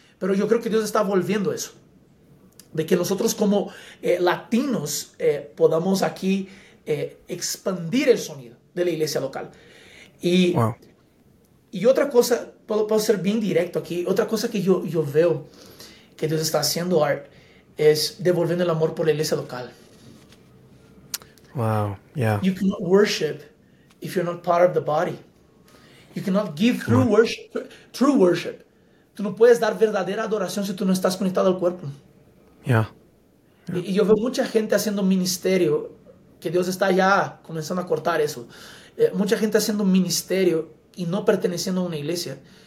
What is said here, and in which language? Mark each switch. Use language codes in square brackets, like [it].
[es] Pero yo creo que Dios está volviendo eso. De que nosotros como latinos podamos aquí expandir el sonido de la iglesia local. Y, y otra cosa, puedo ser bien directo aquí, otra cosa que yo veo que Dios está haciendo, Art, es devolviendo el amor por la iglesia local. [en] Wow, yeah. You cannot worship if you're not part of the body. You cannot give true worship. [es] Tú no puedes dar verdadera adoración si tú no estás conectado al cuerpo. [en] Yeah. Yeah. [es] Y yo veo mucha gente haciendo ministerio, que Dios está ya comenzando a cortar eso. Mucha gente haciendo un ministerio y no perteneciendo a una iglesia.